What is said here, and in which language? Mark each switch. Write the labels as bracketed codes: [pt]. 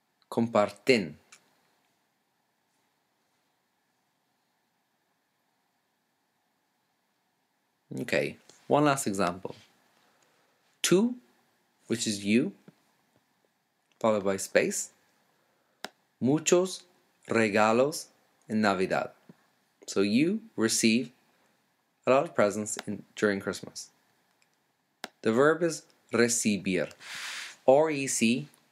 [es] Compartin. [en] Okay, one last example. Tú, which is you, followed by space. [es] Muchos regalos en Navidad. [en] So you receive a lot of presents during Christmas. The verb is recibir. R-E-C-I-B-I-R.